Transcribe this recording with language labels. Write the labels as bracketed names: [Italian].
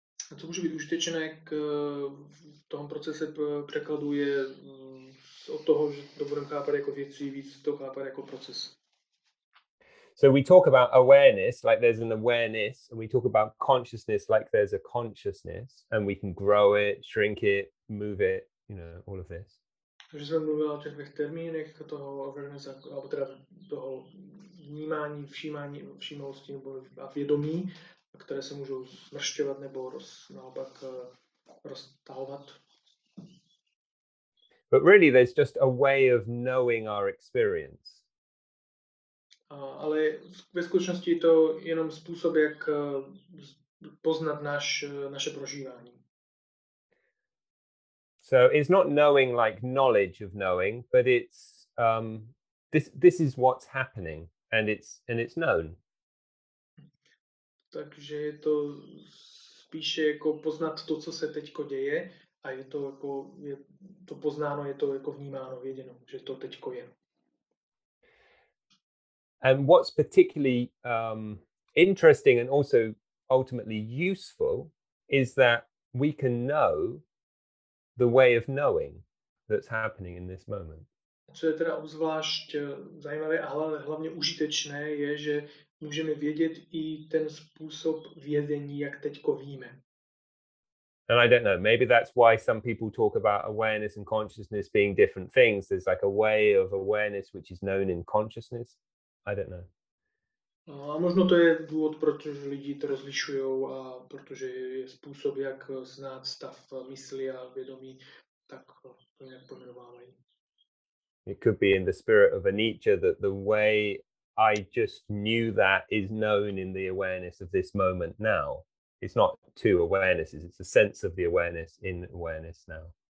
[Czech] A co může být užitečné k tom procese překladu je od toho, že to budeme chápat jako věci, víc to chápat jako proces. [English] So we talk about awareness like there's an awareness, and we talk about consciousness like there's a consciousness, and we can grow it, shrink it, move it, you know, all of this. [Czech] Takže jsem mluvil o těch dvěch termínech, toho awareness, nebo teda toho vnímání, všímání, všímavosti nebo a vědomí, které se můžou zmršťovat nebo naopak roztahovat. [English] But really there's just a way of knowing our experience. [Czech] Ale ve skutečnosti je to jenom způsob, jak poznat naše prožívání. [English] So it's not knowing like knowledge of knowing, but it's this is what's happening, and it's known. [Czech] Takže je to spíše jako poznat to, co se teďko děje, a je to jako je to poznáno, je to jako vnímáno, věděno, že to teďko je. [English] And what's particularly interesting and also ultimately useful is that we can know the way of knowing that's happening in this moment. [Czech] Co je teda obzvlášť zajímavé a hlavně užitečné je, že můžeme vědět i ten způsob vědění, jak teďko víme. [English] And I don't know, maybe that's why some people talk about awareness and consciousness being different things. There's like a way of awareness which is known in consciousness. I don't know. [Czech] A možno to je důvod, protože lidi to rozlišují a protože je způsob, jak znát stav mysli a vědomí, tak to nějak pojmenovávají. [English] It could be in the spirit of Anicca that the way I just knew that is known in the awareness of this moment now. It's not two awarenesses, it's a sense of the awareness in awareness now.